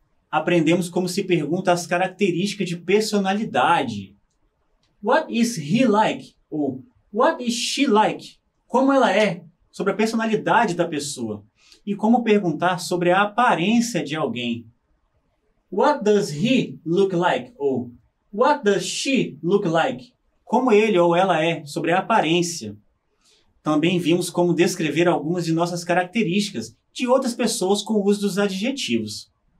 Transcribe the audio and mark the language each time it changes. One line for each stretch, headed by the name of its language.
Portuguese: Aprendemos como se pergunta as características de personalidade.
English: What is he like? Ou what is she like?
Portuguese: Como ela é? Sobre a personalidade da pessoa. E como perguntar sobre a aparência de alguém.
English: What does he look like? Ou what does she look like?
Portuguese: Como ele ou ela é, sobre a aparência. Também vimos como descrever algumas de nossas características de outras pessoas com o uso dos adjetivos.